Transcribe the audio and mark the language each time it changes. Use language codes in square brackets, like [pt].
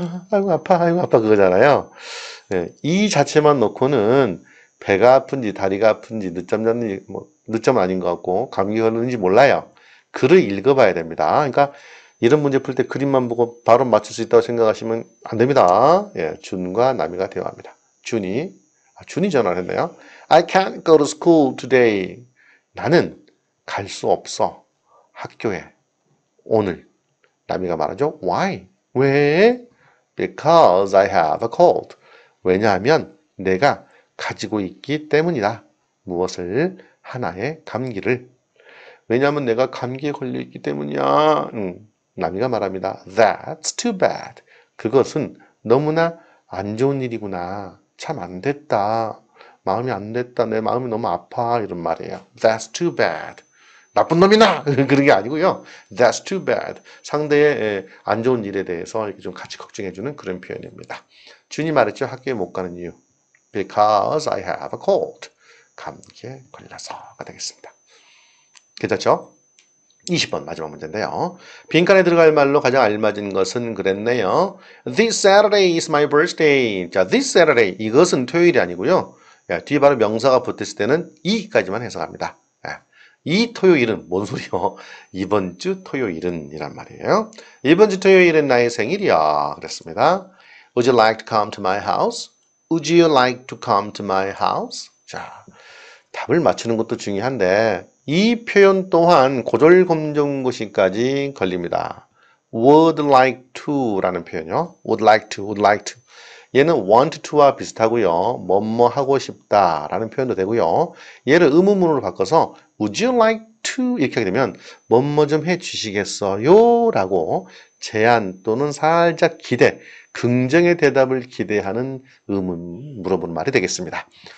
[ko] 아이고 아파 그거잖아요. 예, 이 자체만 놓고는 배가 아픈지 다리가 아픈지 늦잠 잤는지 뭐 늦잠 아닌 것 같고 감기 걸렸는지 몰라요. 글을 읽어봐야 됩니다. 그러니까 이런 문제 풀때 그림만 보고 바로 맞출 수 있다고 생각하시면 안 됩니다. 예, 준과 남이가 대화합니다. 준이, 준이 전화를 했네요. [en] I can't go to school today. [ko] 나는 갈수 없어. 학교에. 오늘. 라미가 말하죠. [en] Why? [ko] 왜? [en] Because I have a cold. [ko] 왜냐하면 내가 가지고 있기 때문이다. 무엇을? 하나의 감기를. 왜냐하면 내가 감기에 걸려 있기 때문이야. 나미가 말합니다. [en] That's too bad. [ko] 그것은 너무나 안 좋은 일이구나. 참안 됐다. 마음이 안 됐다. 내 마음이 너무 아파. 이런 말이에요. [en] That's too bad. [ko] 나쁜 놈이나! 그런 게 아니고요. [en] That's too bad. [ko] 상대의 안 좋은 일에 대해서 이렇게 좀 같이 걱정해주는 그런 표현입니다. 주님이 말했죠. 학교에 못 가는 이유. [en] Because I have a cold. [ko] 감기에 걸려서가 되겠습니다. 괜찮죠? 20번 마지막 문제인데요. 빈칸에 들어갈 말로 가장 알맞은 것은 그랬네요. [en] This Saturday is my birthday. [ko] 자, [en] this Saturday. [ko] 이것은 토요일이 아니고요. 야, 뒤에 바로 명사가 붙었을 때는 이까지만 해석합니다. 이 토요일은 뭔 소리요? 이번 주 토요일은 이란 말이에요. 이번 주 토요일은 나의 생일이야. 그랬습니다. [en] Would you like to come to my house? Would you like to come to my house? [ko] 자, 답을 맞추는 것도 중요한데 이 표현 또한 고절검정고시까지 걸립니다. [en] Would like to [ko] 라는 표현이요. [en] Would like to, would like to. [ko] 얘는 want to와 비슷하고요. 뭐뭐 하고 싶다라는 표현도 되고요. 얘를 의문문으로 바꿔서 [en] Would you like to [ko] 이렇게 하게 되면 뭐뭐 좀 해주시겠어요?라고 제안 또는 살짝 기대, 긍정의 대답을 기대하는 의문 물어보는 말이 되겠습니다.